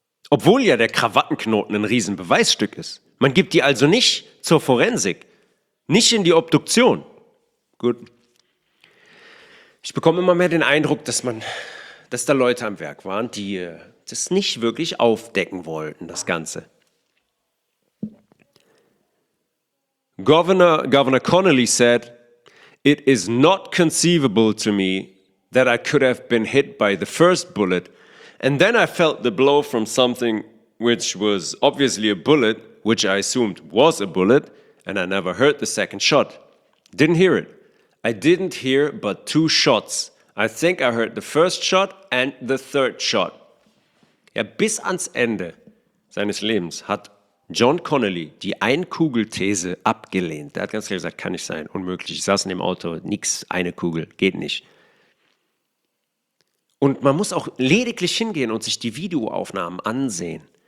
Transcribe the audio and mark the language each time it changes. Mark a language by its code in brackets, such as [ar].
[de] Obwohl ja der Krawattenknoten ein Riesenbeweisstück ist. Man gibt die also nicht zur Forensik, nicht in die Obduktion. Gut. Ich bekomme immer mehr den Eindruck, dass da Leute am Werk waren, die das nicht wirklich aufdecken wollten, das Ganze. [en] Governor Connolly said, "It is not conceivable to me that I could have been hit by the first bullet, and then I felt the blow from something which was obviously a bullet, which I assumed was a bullet, and I never heard the second shot. Didn't hear it. I didn't hear but two shots. I think I heard the first shot and the third shot." [de] Ja, bis ans Ende seines Lebens hat John Connolly die Einkugelthese abgelehnt. Er hat ganz klar gesagt, kann nicht sein, unmöglich. Ich saß in dem Auto, nix, eine Kugel, geht nicht. Und man muss auch lediglich hingehen und sich die Videoaufnahmen ansehen.